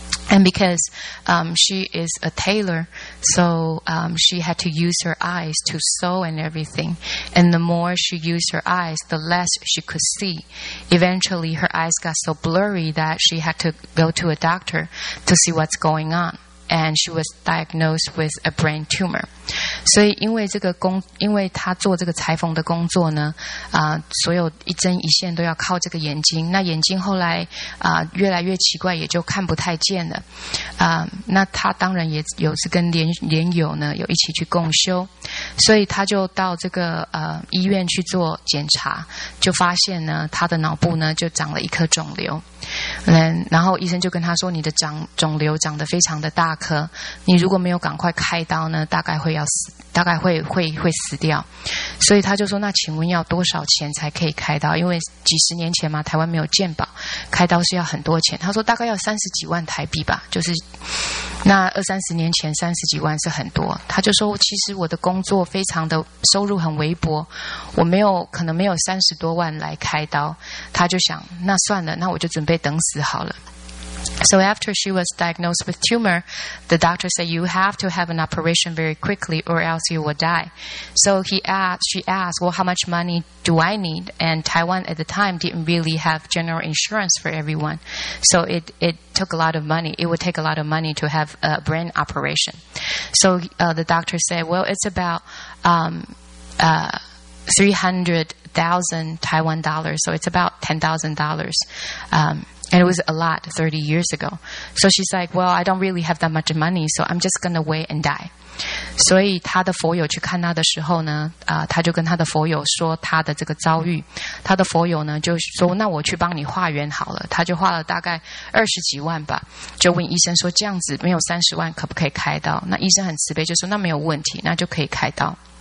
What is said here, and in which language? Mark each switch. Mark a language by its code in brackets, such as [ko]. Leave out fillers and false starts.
[en] And because she is a tailor, so she had to use her eyes to sew and everything. And the more she used her eyes, the less she could see. Eventually, her eyes got so blurry that she had to go to a doctor to see what's going on. And she was diagnosed with a brain tumor. [zh] 所以因为她做这个裁缝的工作呢，所有一针一线都要靠这个眼睛。那眼睛后来越来越奇怪，也就看不太见了。那她当然也有是跟莲友呢有一起去共修，所以她就到这个医院去做检查，就发现呢她的脑部呢就长了一颗肿瘤。然后医生就跟她说：“你的肿瘤长得非常的大。”大颗，你如果没有赶快开刀呢，大概会要死，大概会死掉。所以他就说：“那请问要多少钱才可以开刀？因为几十年前嘛，台湾没有健保，开刀是要很多钱。” 他说：“大概要三十几万台币吧。” 就是那二三十年前，三十几万是很多。他就说：“其实我的工作非常的收入很微薄，我没有可能没有三十多万来开刀。”他就想：“那算了，那我就准备等死好了。” [en] So after she was diagnosed with tumor, the doctor said, you have to have an operation very quickly or else you will die. So she asked, well, how much money do I need? And Taiwan at the time didn't really have general insurance for everyone. So it took a lot of money. It would take a lot of money to have a brain operation. So the doctor said, well, it's about 300,000 Taiwan dollars. So it's about $10,000. And it was a lot 30 years ago. So she's like, well, I don't really have that much money, so I'm just going to wait and die. [zh] 所以他的佛友去看他的时候呢，他就跟他的佛友说他的这个遭遇，他的佛友呢就说，那我去帮你化缘好了，他就化了大概20几万吧，就问医生说这样子没有30万可不可以开刀？那医生很慈悲，就说那没有问题，那就可以开刀。